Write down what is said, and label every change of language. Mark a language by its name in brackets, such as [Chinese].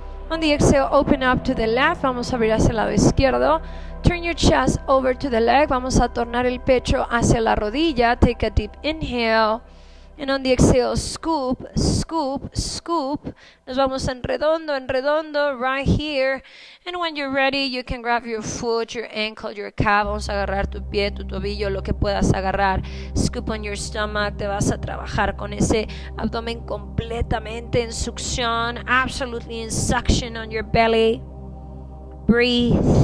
[English] On the exhale, open up to the left. [Spanish] Vamos a abrir hacia el lado izquierdo. [English] Turn your chest over to the leg. [Spanish] Vamos a tornar el pecho hacia la rodilla. [English] Take a deep inhale. And on the exhale, scoop, scoop, scoop. [Spanish] Nos vamos en redondo, [English] right here. And when you're ready, you can grab your foot, your ankle, your calf. [Spanish] Vamos a agarrar tu pie, tu tobillo, lo que puedas agarrar. [English] Scoop on your stomach. [Spanish] Te vas a trabajar con ese abdomen completamente en succión. [English] Absolutely in suction on your belly. Breathe.